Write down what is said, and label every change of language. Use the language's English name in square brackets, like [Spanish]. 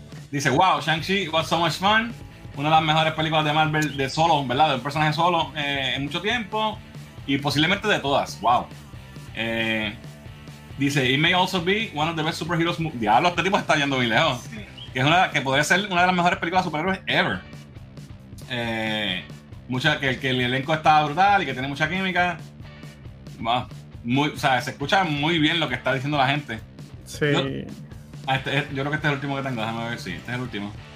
[Spanish] Dice, [English] wow, Shang-Chi was so much fun. [Spanish] Una de las mejores películas de Marvel de solo, ¿verdad? De un personaje solo en mucho tiempo. Y posiblemente de todas, wow. Dice, [English] it may also be one of the best superheroes movies. [Spanish] Diablo, este tipo está yendo muy lejos. Sí. Que podría ser una de las mejores películas de superhéroes ever. Que el elenco está brutal y que tiene mucha química. Se escucha muy bien lo que está diciendo la gente. Sí. Yo creo que este es el último que tengo. Déjame ver si este es el último.